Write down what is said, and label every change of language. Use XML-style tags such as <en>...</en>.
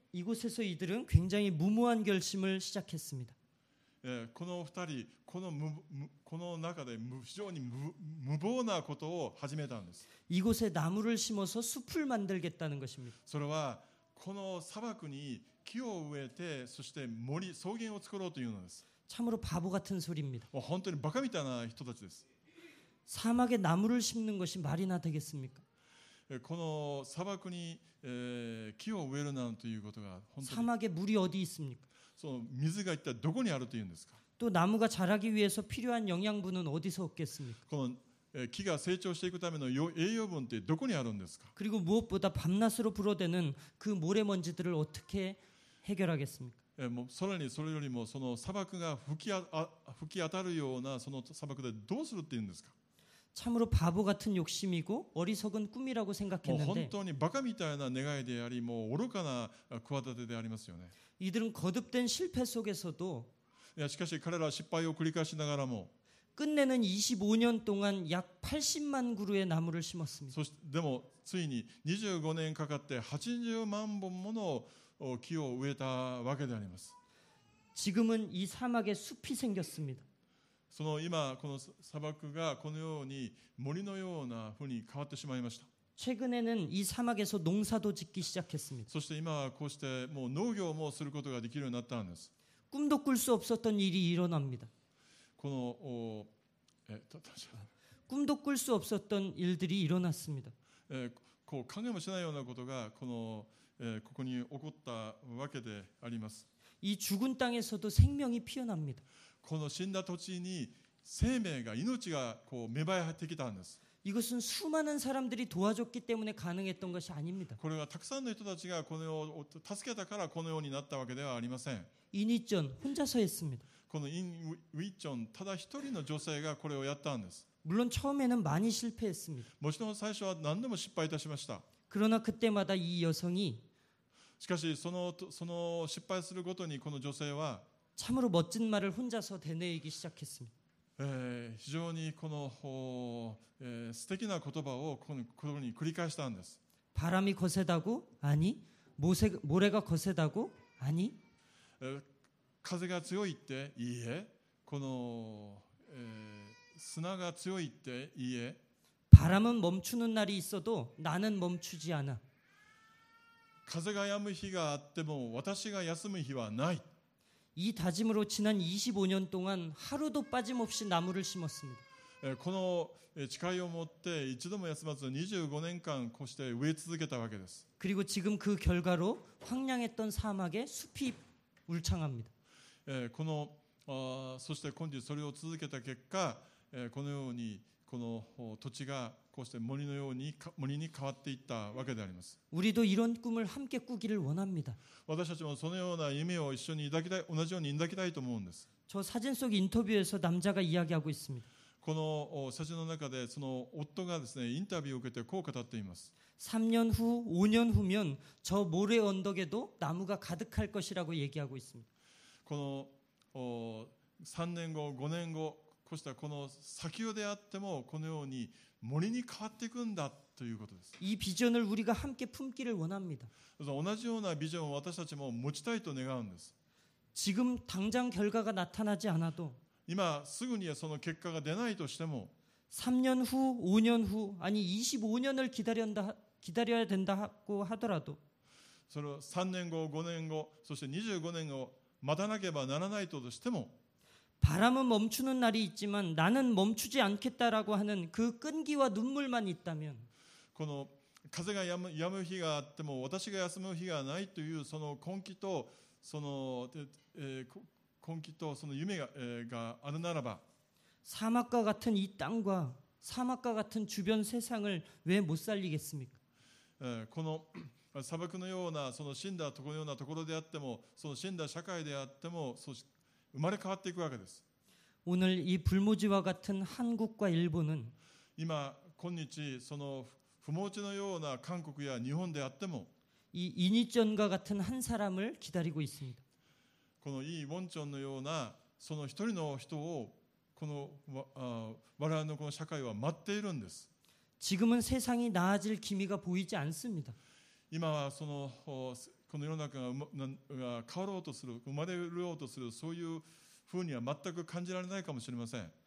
<ko>이곳에서이들은굉장히무모한결심을시작했습니다</ko> <ja>この二人この中で非常に無謀なことを始めたんです。</ja> <ko>이곳에나무를심어서숲을만들겠다는것입니다</ko> <ja>それはこの砂漠に木を植えて、そして森、草原を作ろうというのです。</ja> <ko>참으로바보같은소리입니다。</ko> <ja>本当にバカみたいな人たちです。</ja> <ko>砂漠에나무를심는것이말이나되겠습니까？</ko> <ja>この砂漠に木を植えるなんていうことが本当に。</ja> <ko>砂漠에물이어디있습니까？</ko> <ja>その水が一体どこにあるというんですか？</ja> <ko>또나무가자라기위해서필요한영양분은어디서얻겠습니까？</ko> <ja>この木が成長していくための栄養分ってどこにあるんですか。</ja> <ko>그리고무엇보다밤낮으로불어대는그모래먼지들을어떻게해결하겠습니까。</ko> <ja>もうさらにそれよりもその砂漠が吹き当たるようなその砂漠でどうするっていうんですか。</ja> <ko>참으로바보같은욕심이고어리석은꿈이라고생각했는데。</ko> <ja>本当にバカみたいな願いであり、もう愚かな企てでありますよね。</ja> <ko>이들은거듭된실패속에서도。</ko> <ja>いやしかし彼らは失敗を繰り返しながらも。</ja> <ko>끝내는25년동안약80만그루의나무를심었습니다。</ko> <ja>でもついに25年かかって80만本もの木を植えたわけであります。</ja> <ko>지금은이사막에숲이생겼습니다。</ko> <ja>その今この砂漠がこのように森のような風に変わってしまいました。</ja> <ko>최근에는이사막에서농사도짓기시작했습니다。</ko> <ja>そして今はこうしてもう農業もすることができるようになったんです。</ja> <ko>꿈도꿀수없었던일이일어납니다。</ko> <ja>この</ja> <ko>꿈도꿀수없었던일들이일어났습니다。</ko> <ja>こう考えもしないようなことがこのここに起こったわけであります。</ja> <ko>이죽은땅에서도생명이피어납니다。</ko> <ja>この死んだ土地に生命が命がこう芽生えてきたんです。</ja> <ko>이것은수많은사람들이도와줬기때문에가능했던것이아닙니다。</ko> <ja>これはたくさんの人たちがこの世を助けたからこのようになったわけではありません。</ja> <ko>인이전혼자서했습니다。</ko> <ja>このインウィチョン、ただ一人の女性がこれをやったんです。</ja> <ko>물론처음에는많이실패했습니다。</ko> <ja>もちろん最初は何度も失敗いたしました。</ja> <ko>그러나그때마다이여성이</ko> <ja>しかしその失敗するごとにこの女性は</ja> <ko>참으로멋진말을혼자서되뇌이기시작했습니다。</ko> <ja>非常にこの素敵な言葉をこのように繰り返したんです。</ja> <ko>바람이거세다고아니모래가거세다고아니</ko> <ja>風が強いっていいえ、この砂が強いっていいえ。</ja> <ko>바람은멈추는날이있어도나는멈추지않아。</ko> <ja>風が止む日があっても私が休む日はない。</ja> <ko>이다짐으로지난25년동안하루도빠짐없이나무를심었습니다。</ko> <ja>この誓いを持って一度も休まず25年間こうして植え続けたわけです。</ja> <ko>그리고지금그결과로황량했던사막에숲이울창합니다。</ko> <ja>このそして今度それを続けた結果、このようにこの土地がこうして森のように森に変わっていったわけであります。私たちもそのような夢を一緒に抱きたい、同じように抱きたいと思うんです。</ja> <ko>저사진속인터뷰에서남자가이야기하고있습니다。</ko> <ja>この写真の中でその夫がですねインタビューを受けてこう語っています。</ja> <ko>3年후5年후면저모래언덕에도나무가가득할것이라고얘기하고있습니다。</ko> <ja>この3年後5年後こうしたこの砂丘であってもこのように森に変わっていくんだということです。</ja> <ko>이비전을우리가함께품기를원합니다。</ko> <ja>同じようなビジョンを私たちも持ちたいと願うんです。</ja> <ko>지금당장결과가나타나지않아도</ko> <ja>今すぐにはその結果が出ないとしても</ja> <ko>3년후5년후아니25년을기다려야된다고하더라도</ko> <ja>その3年後、5年後、そして25年後待たなければならないとしても</ja> <ko>바람은멈추는날이있지만나는멈추지않겠다라고하는그끈기와눈물만있다면</ko> <ja>この風が止む日があっても私が休む日がないというその根気とその根気とその夢 があるならば</ja> <ko>사막과같은이땅과사막과같은주변세상을왜못살리겠습니까</ko> <ja>この砂漠のようなその死んだところようなところであってもその死んだ社会であってもそう生まれ変わっていくわけです。</ja> <ko>오늘이불모지와같은한국과일본은</ko> <ja>今今日その不毛地のような韓国や日本であっても</ja> <ko>이인이전과같은한사람을기다리고있습니다。</ko> <ja>このイーウォンチョンのようなその一人の人をこの我々のこの社会は待っているんです。</ja> <ko>지금은세상이나아질기미가보이지않습니다。</ko> <ja>今はそのこの世の中が変わろうとする生まれようとするそういうふうには全く感じられないかもしれません。</ja>